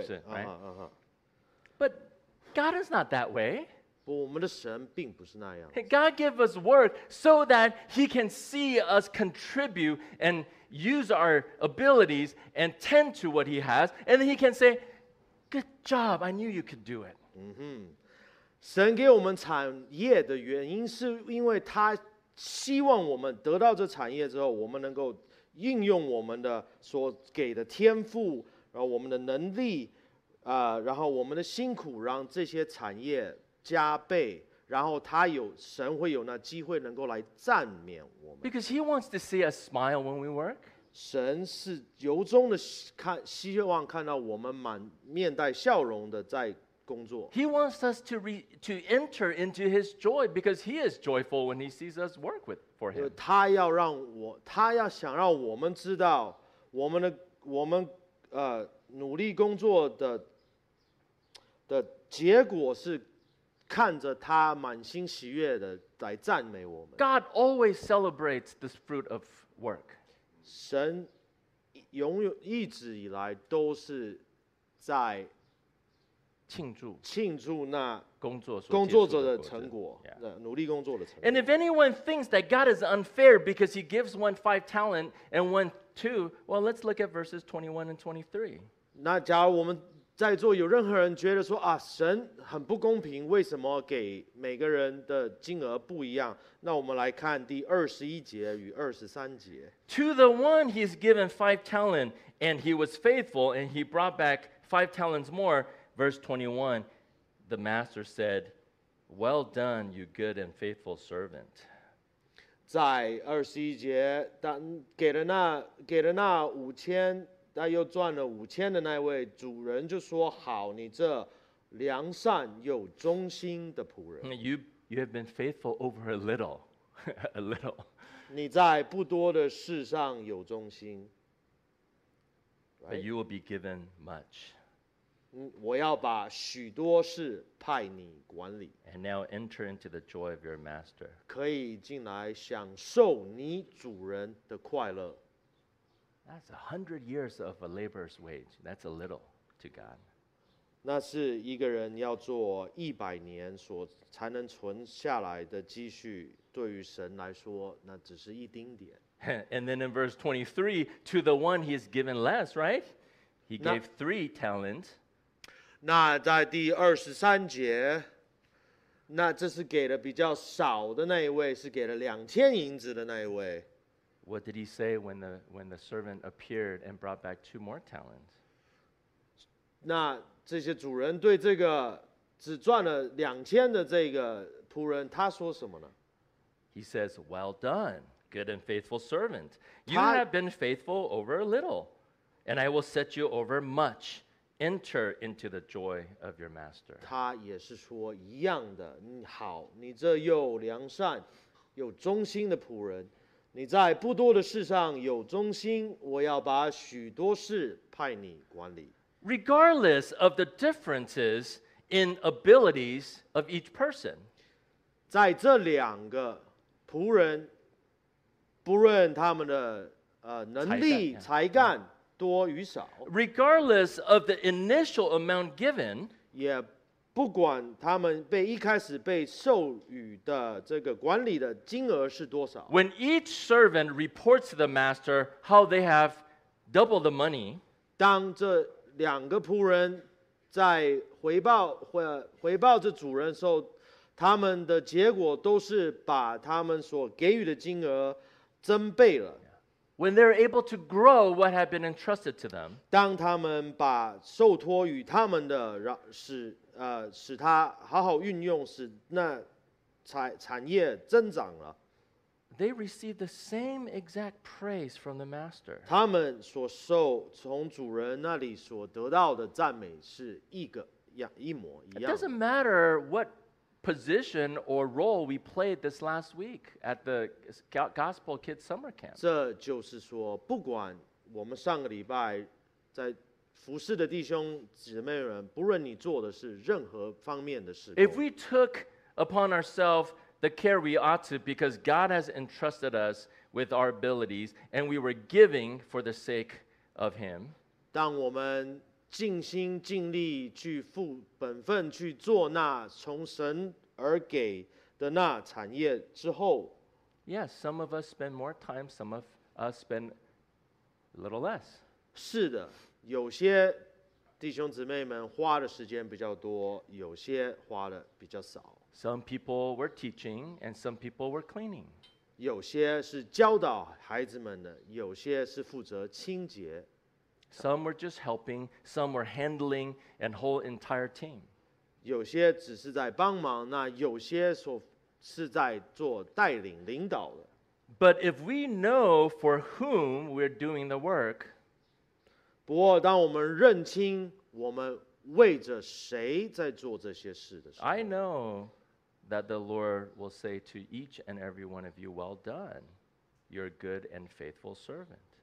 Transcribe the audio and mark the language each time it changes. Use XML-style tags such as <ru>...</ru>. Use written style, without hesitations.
<zh>是不是？</zh> <en>Right? But God is not that way. God gave us work so that He can see us contribute and use our abilities and tend to what He has, and He can say, good job, I knew you could do it.</en> <zh>神给我们产业的原因是因为他希望我们得到这产业之后，我们能够应用我们的所给的天赋，然后我们的能力，然后我们的辛苦，让这些产业加倍，然后他有神会有那机会能够来赞美我们。</zh> <en>Because he wants to see us smile when we work.</en> <zh>神是由衷的看希望看到我们满面带笑容的在。</zh> <en>He wants us to enter into His joy because He is joyful when He sees us work with for Him.</en> <zh>他要让我，他要想让我们知道我们的我们努力工作的的结果是看着他满心喜悦的来赞美我们。</zh> <en>God always celebrates the fruit of work.</en> <zh>神永远一直以来都是在。庆祝那工作者的成果、 yeah. 努力工作的成果。</zh> <en>And if anyone thinks that God is unfair because He gives one 5 talent and one 2, well, let's look at verses 21 and 23.</en> <zh>那假如我们在座有任何人觉得说啊，神很不公平，为什么给每个人的金额不一样？那我们来看第21节与23节。</zh> <en>To the one He's given 5 talent and he was faithful and he brought back 5 talents more. Verse 21, the master said, Well done, you good and faithful servant.</en> <zh>在二十一节，当给了那五千，但又赚了五千的那位主人就说：“好，你这良善又忠心的仆人。”</zh> <en>You have been faithful over a little, a little.</en> <zh>你在不多的事上有忠心。</zh> <en>But you will be given much.</en> <zh>我要把许多事派你管理。</zh> <en>And now enter into the joy of your master.</en> <zh>可以进来享受你主人的快乐。</zh> <en>That's 100 years of a laborer's wage. That's a little to God.</en> <zh>那是一个人要做100年所才能存下来的积蓄，对于神来说，那只是一丁点。</zh> <en>And then in verse 23, to the one he has given less, right? He gave 3 talents.</en> <zh>那在第二十三节，那这是给的比较少的那一位，是给了两千银子的那一位。</zh> <en>What did he say when the servant appeared and brought back 2 more talents?</en> <zh>那这些主人对这个只赚了两千的这个仆人，他说什么呢</zh> <en>？He says, "Well done, good and faithful servant. You have been faithful over a little, and I will set you over much." Enter into the joy of your master.</en> <zh>他也是说一样的，好，你这又良善又忠心的仆人，你在不多的事上有忠心，我要把许多事派你管理。</zh> <en>Regardless of the differences in abilities of each person,</en> <zh>在这两个仆人，不论他们的能力才干。多与少</zh> <en>Regardless of the initial amount given,</en> <zh>也不管他们被一开始被授予的这个管理的金额是多少</zh> <en>When each servant reports to the master how they have doubled the money,</en> <zh>当这两个仆人在回报这主人的时候，他们的结果都是把他们所给予的金额增倍了。</zh> <en>When they're able to grow what had been entrusted to them,</en> <zh>当他们把受托与他们的使他好好运用，使那产业增长了。</zh> <en>They receive the same exact praise from the master.</en> <zh>他们所受从主人那里所得到的赞美是一模一样。</zh> <en>It doesn't matter what position or role we played this last week at the Gospel Kids Summer Camp.</en> <zh>这就是说，不管我们上个礼拜在服侍的弟兄姊妹们，不论你做的是任何方面的事。</zh> <en>If we took upon ourselves the care we ought to, because God has entrusted us with our abilities, and we were giving for the sake of Him.</en> <zh>当我们尽心尽力去负本分去做那从神而给的那产业之后。</zh> <en>Yes, some of us spend more time, some of us spend a little less.</en> <zh>是的，有些弟兄姊妹们花的时间比较多，有些花的比较少。</zh> <en>Some people were teaching, and some people were cleaning.</en> <zh>有些是教导孩子们的，有些是负责清洁。</zh> <en>Some were just helping, some were handling an whole entire team.</en> <zh>有些只是在帮忙，那有些所是在做带领领导的。</zh> <en>But if we know for whom we're doing the work,</en> <zh>不过当我们认清我们为着谁在做这些事的时候，</zh> <en>I know that the Lord will say to each and every one of you, well done, you're good and faithful servant.</en>